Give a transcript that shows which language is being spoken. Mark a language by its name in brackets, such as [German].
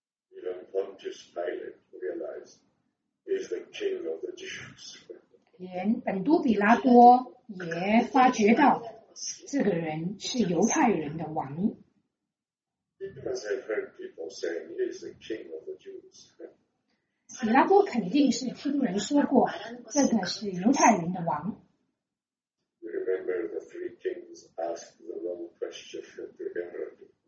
[English] Even Pontius Pilate realized he is the king of the Jews. [Chinese] 连本都比拉多也发觉到这个人是犹太人的王。 [English] Because I've heard people saying he is the king of the Jews. [Chinese] 比拉多肯定是听人说过这个是犹太人的王。 [English] Remember the three kings asked the wrong question to the Herod.